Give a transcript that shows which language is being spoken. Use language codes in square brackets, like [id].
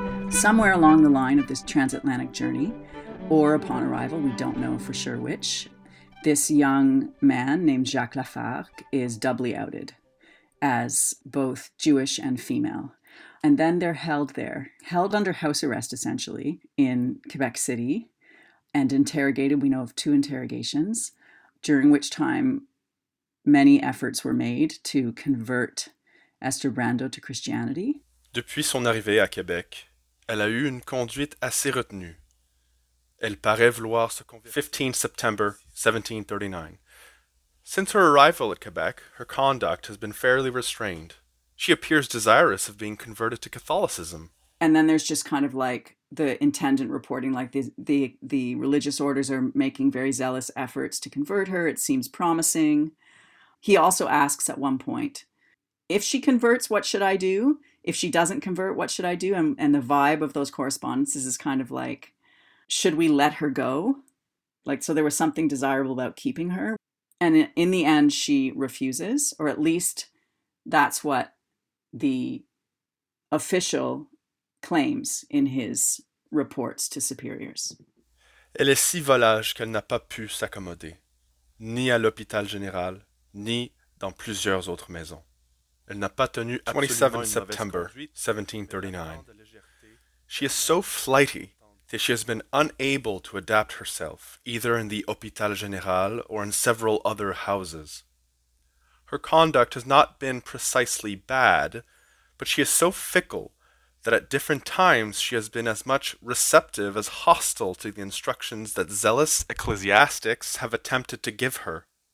[en] Somewhere along the line of this transatlantic journey, or upon arrival, we don't know for sure which, this young man named Jacques Lafargue is doubly outed as both Jewish and female. And then they're held there, held under house arrest, essentially, in Quebec City, and interrogated. We know of two interrogations, during which time many efforts were made to convert Esther Brandeau to Christianity. [fr] Depuis son arrivée à Québec, elle a eu une conduite assez retenue. Elle paraît vouloir se convertir. [en] 15 September 1739. Since her arrival at Quebec, her conduct has been fairly restrained. She appears desirous of being converted to Catholicism. And then there's just kind of like the intendant reporting, like the religious orders are making very zealous efforts to convert her. It seems promising. He also asks at one point, if she converts, what should I do? If she doesn't convert, what should I do? And the vibe of those correspondences is kind of like, should we let her go? Like, so there was something desirable about keeping her. And in the end, she refuses, or at least that's what the official claims in his reports to superiors. [fr] Elle est si volage qu'elle n'a pas pu s'accommoder, ni à l'hôpital général, ni dans plusieurs autres maisons. Elle n'a pas tenu absolument une mauvaise conduite. [en] 27 September 1739. She is so flighty that she has been unable to adapt herself, either in the Hôpital Général or in several other houses. Her conduct has not been precisely bad, but she is so fickle that at different times she has been as much receptive as hostile to the instructions that zealous ecclesiastics have attempted to give her.